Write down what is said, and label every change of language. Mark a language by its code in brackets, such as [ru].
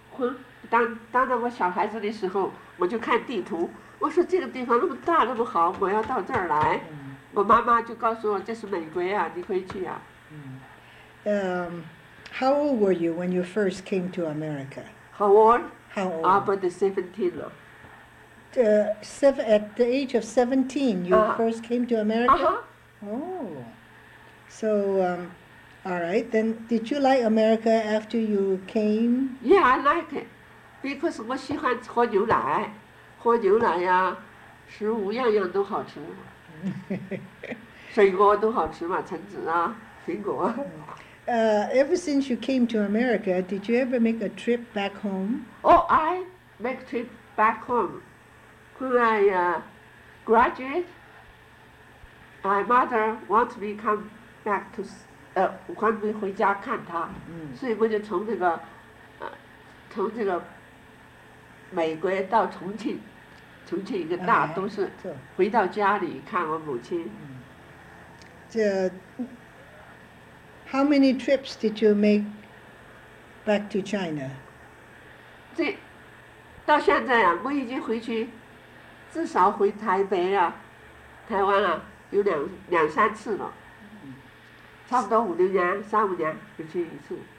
[zh] When 当我小孩子的时候，我就看地图，我说这个地方那么大，那么好，我要到这儿来。我妈妈就告诉我，这是美国呀，你可以去呀。 [en] How old were you when you first came to America? How old? How old? About 17. At the age of 17, you first came to America? So, all right, then did you like America after you came? Yeah, I like it. Because I like to drink milk. Milk, yeah, food, all of them are good. Fruits are good, apples, apples. Ever since you came to America, did you ever make a trip back home? Oh, I make a trip back home. When I graduate, my mother wants me come back to, [zh] 欢迎回家看她，所以我就从这个，从这个美国到重庆，重庆一个大都市，回到家里看我母亲。 [en] 这 ，How many trips did you make back to China？ [zh] 这到现在啊，我已经回去，至少回台北了，台湾了，有两三次了。差不多五六年，三五年回去一次。